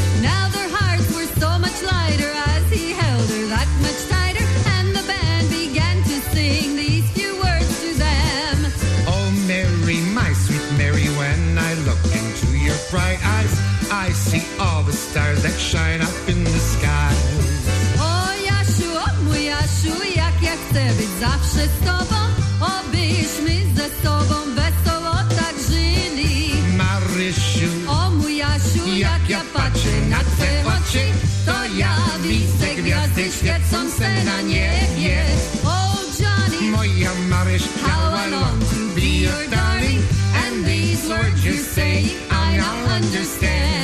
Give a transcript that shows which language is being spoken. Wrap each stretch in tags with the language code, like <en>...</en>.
<en>Now their hearts were so much lighter as he held her that much tighter, and the band began to sing these few words to them. Oh Mary, my sweet Mary, when I look into your bright eyes, I see all the stars that shine up in the sky.</en> <pl>Oh Yashu, oh my Yashu, jak ja chcę być zawsze z tobą. Obyś mi ze sobą wesoło tak żyli. Marysiu, o mój Jasiu, jak ja patrzę na twe oczy, to ja widzę gwiazdy świecą se na niebie. O Johnny, moja Maryś,</pl> <en>how I long to be your darling, and these words you say, I now understand.</en>